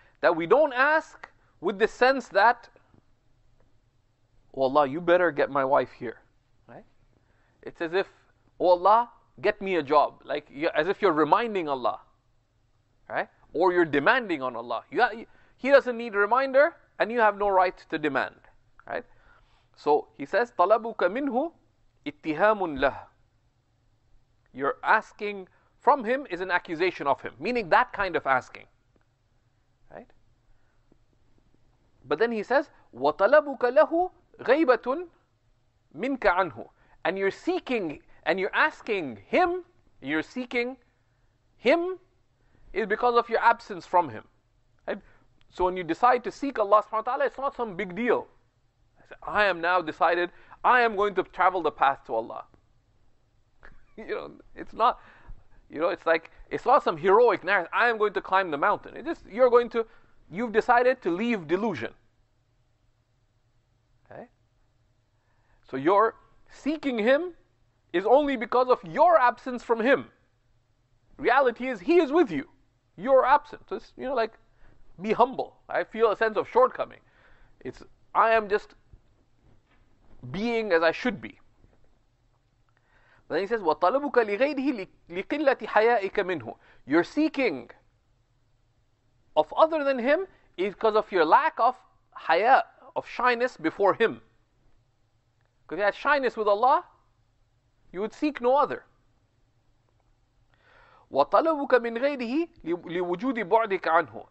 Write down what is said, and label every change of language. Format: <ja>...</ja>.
<en>That we don't ask with the sense that, oh Allah, you better get my wife here. Right? It's as if, oh Allah, get me a job. Like, as if you're reminding Allah. Right? Or you're demanding on Allah. He doesn't need a reminder, and you have no right to demand. Right? So, he says,</en> <ar>طَلَبُكَ مِنْهُ اِتِّهَامٌ لَهُ.</ar> <en>You're asking from him is an accusation of him. Meaning that kind of asking. Right? But then he says,</en> <ar>وَطَلَبُكَ لَهُ غَيْبَةٌ مِنْكَ عَنْهُ.</ar> <en>And you're seeking, and you're asking him, you're seeking him, is because of your absence from him. Right? So when you decide to seek Allah subhanahu wa ta'ala, it's not some big deal. I am now decided, I am going to travel the path to Allah. You know, it's not, you know, it's like, it's not some heroic narrative. I am going to climb the mountain. It just, you're going to, you've decided to leave delusion. Okay? So your seeking him is only because of your absence from him. Reality is, he is with you. You're absent. So it's, you know, like, be humble. I feel a sense of shortcoming. It's, I am just being as I should be. Then he says,</en> <ar>وَطَلَبُكَ لِغَيْدِهِ لِقِلَّةِ حَيَائِكَ مِنْهُ.</ar> <en>You're seeking of other than him is because of your lack of haya, of shyness before him. Because if you had shyness with Allah, you would seek no other.</en> <ar>وَطَلَبُكَ مِنْ غَيْرِهِ لِوُجُودِ بُعْدِكَ عَنْهُ.</ar>